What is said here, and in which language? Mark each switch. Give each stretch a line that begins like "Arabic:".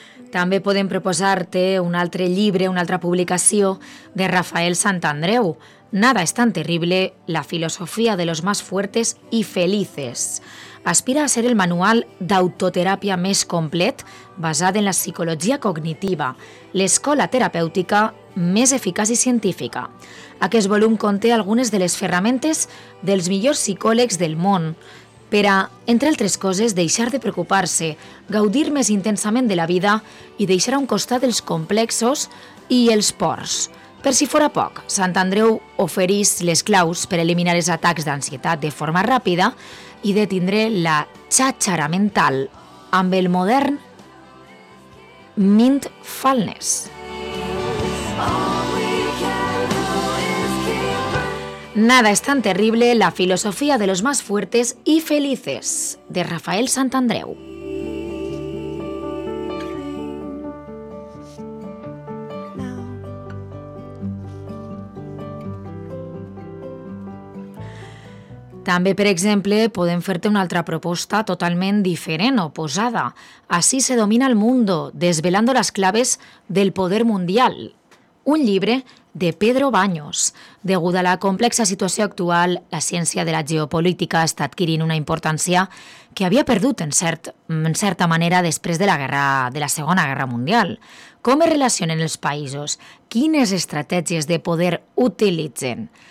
Catalan: També podem proposar-te un altre llibre, una altra publicació de Rafael Santandreu.
Spanish: Nada es tan terrible, la filosofia de los más fuertes y felices.
Catalan: aspira a ser el manual d'autoterapia més complet basat en la psicologia cognitiva, l'escola terapèutica més eficaç i científica. Aquest volum conté algunes de les ferramentes dels millors psicòlegs del món per a, entre altres coses, deixar de preocupar-se, gaudir més intensament de la vida i deixar a un costat els complexos i els pors. Per si fora poc, Sant Andreu ofereix les claus per eliminar els atacs d'ansietat de forma ràpida i detindre la xàxara mental amb el modern Mindfulness.
Spanish: Nada es tan terrible, la filosofia de los más fuertes y felices, de Rafael Sant Andreu.
Catalan: També, per exemple, podem fer-te una altra proposta totalment diferent, oposada.
Spanish: Así se domina el mundo, desvelando las claves del poder mundial.
Catalan: Un llibre de Pedro Baños. Degut a la complexa situació actual, la ciència de la geopolítica està adquirint una importància que havia perdut, en certa manera, després de la Segona Guerra Mundial. Com es relacionen els països? Quines estratègies de poder utilitzen?